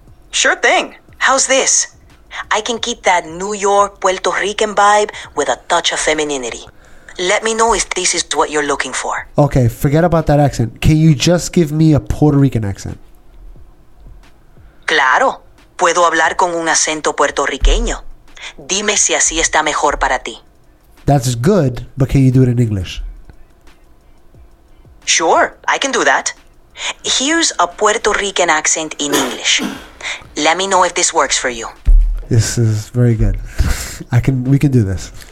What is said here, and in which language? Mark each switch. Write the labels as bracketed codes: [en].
[en] Sure thing. How's this? I can keep that New York Puerto Rican vibe with a touch of femininity. Let me know if this is what you're looking for. Okay, forget about that accent. Can you just give me a Puerto Rican accent? [es] Claro. Puedo hablar con un acento puertorriqueño. Dime si así está mejor para ti. [en] That's good, but can you do it in English? Sure, I can do that. Here's a Puerto Rican accent in English. Let me know if this works for you. This is very good. We can do this.